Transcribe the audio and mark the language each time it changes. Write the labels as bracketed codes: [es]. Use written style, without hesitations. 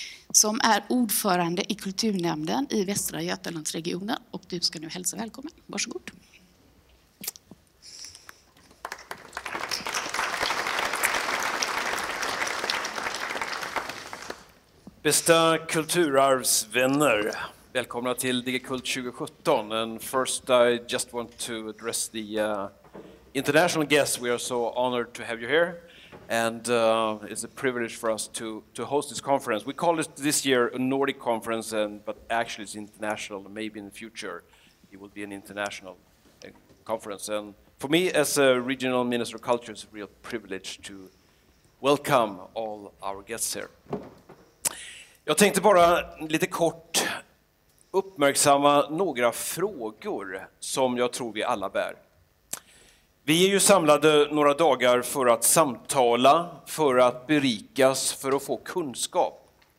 [sv] Som är ordförande i kulturnämnden i Västra Götalandsregionen. Och du ska nu hälsa välkommen. Varsågod. Bästa kulturarvsvänner. Välkomna till DigiKult 2017. [en] And first I just want to address the international guests. We are so honored to have you here. And it's a privilege for us to host this conference. We call it this year a Nordic conference, but actually it's international. Maybe in the future it will be an international conference. And for me, as a regional minister of culture, it's a real privilege to welcome all our guests here. [sv] Jag tänkte bara lite kort uppmärksamma några frågor som jag tror vi alla bär. Vi är ju samlade några dagar för att samtala, för att berikas, för att få kunskap.